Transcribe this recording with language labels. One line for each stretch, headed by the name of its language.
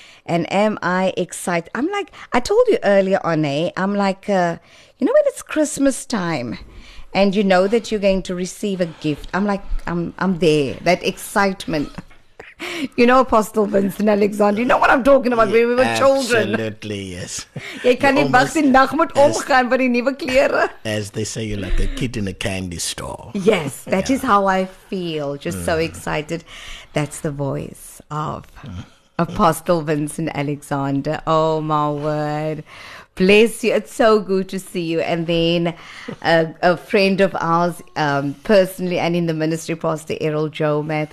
English: And am I excited? I'm like, I told you earlier on, I'm like, you know when it's Christmas time and you know that you're going to receive a gift? I'm like, I'm there, that excitement. You know, Apostle Vincent Alexander, you know what I'm talking about, when we were children. Absolutely, yes.
Afrikaans: Jy kan nie wag die nag moet omgaan vir die nuwe klere.
English: As they say, you're like a kid in a candy store. Yes, that is how I feel, just so excited. That's the voice of... Apostle Vincent Alexander. Oh, my word. Bless you. It's so good to see you. And then a friend of ours personally and in the ministry, Pastor Errol Jomath.